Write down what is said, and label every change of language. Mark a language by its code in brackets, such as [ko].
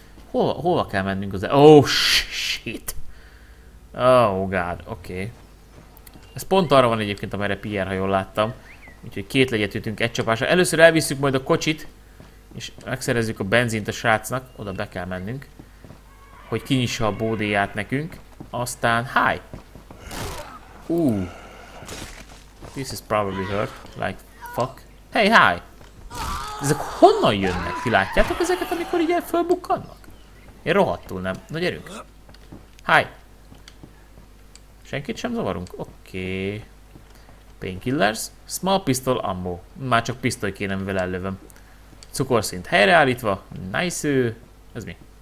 [hu] Hova kell mennünk az shit. Oh god, oké. Okay. Ez pont arra van egyébként, amire Pierre, ha jól láttam. Úgyhogy két legyet ütünk egy csapásra. Először elviszük majd a kocsit. És megszerezzük a benzint a srácnak. Oda be kell mennünk. Hogy kinyissa a bódéját nekünk. Aztán, hi! [en] This is probably hurt, like fuck. [hu] Hey, hi! Ezek honnan jönnek? Ti látjátok ezeket, amikor így fölbukkannak? Én rohadtul nem. Na gyerünk! Hi! Senkit sem zavarunk? Oké. Okay. Painkillers. [en] Small pistol ammo. [hu] Már csak pisztoly kéne, mivel ellövöm. Cukorszint helyreállítva. Nice! Ez mi?